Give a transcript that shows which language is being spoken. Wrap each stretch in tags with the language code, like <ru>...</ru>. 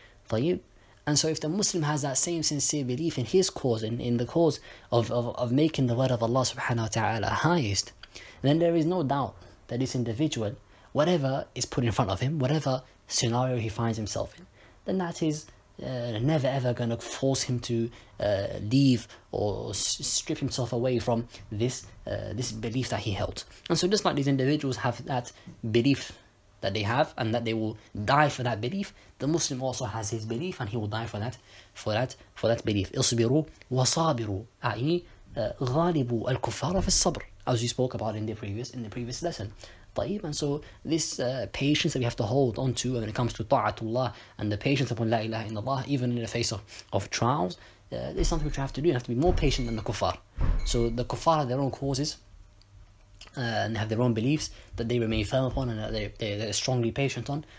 <en>And so if the Muslim has that same sincere belief in his cause, in the cause of making the word of Allah subhanahu wa ta'ala highest, then there is no doubt that this individual, whatever is put in front of him, whatever scenario he finds himself in, then that is never ever going to force him to leave or strip himself away from this belief that he held. And so just like these individuals have that belief that they have, and that they will die for that belief, the Muslim also has his belief, and he will die for that belief.</en> <ar>اصبروا وصابروا أعني غالبوا الكفار في الصبر,</ar> <en>as we spoke about in the previous lesson. And so this patience that we have to hold on to when it comes to ta'atullah, and the patience upon la ilaha illallah, even in the face of trials, this is something which we have to do. You have to be more patient than the kuffar. So the kuffar have their own causes, and they have their own beliefs that they remain firm upon, and that they're strongly patient on.</en>